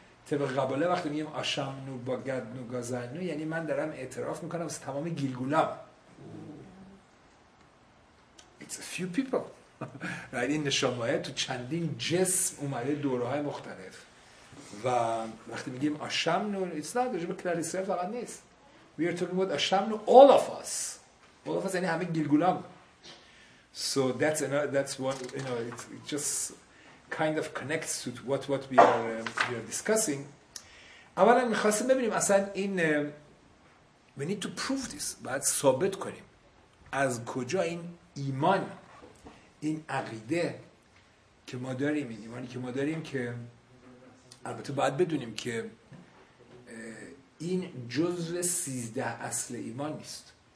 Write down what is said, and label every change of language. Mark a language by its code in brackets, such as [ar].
[fa] طبق قباله وقتی میگیم آشمنو با گدنو گازنو، یعنی من دارم اعتراف میکنم واسه تمام گیلگولام. [en] It's a few people. Right? [fa] این نشامایه تو چندین جسم اومده دورهای مختلف. و وقتی میگیم آشمنو، [en] it's not just about the Israel [fa] فقط نیست. [en] We are talking about آشمنو all of us. All of us [fa] یعنی همه گیلگولام. [en] So that's another, that's what, you know, it just kind of connects to what we are discussing. [fa] اولا می‌خواستم ببینیم اصلا این [en] we need to prove this. [fa] باید ثابت کنیم از کجا این ایمان، این عقیده که ما داریم، این ایمانی که ما داریم، که البته باید بدونیم که این جزء 13 اصل ایمان نیست.